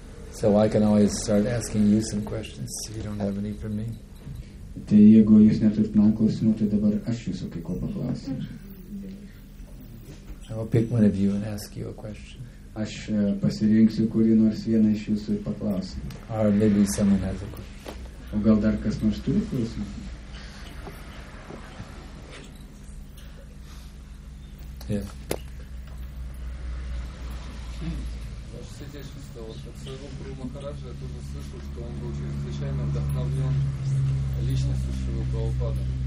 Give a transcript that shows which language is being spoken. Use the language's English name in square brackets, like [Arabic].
[English] So I can always start asking you some questions if you don't have any for me. [Lithuanian] Tai jeigu jūs neturite man klausimų, tai dabar aš jūsų kai ko paklausiu. [English] I will pick one of you and ask you a question. [Lithuanian] Aš pasirinksiu kurį nors vieną iš jūsų ir paklausiu. [English] Or maybe someone has a question. [Lithuanian] O gal dar kas nors turi klausimą? [Russian] Ваш сидящий сказал, что от своего Гуру Махараджа я тоже слышал, что он был чрезвычайно вдохновлен личностью своего Прабхупады.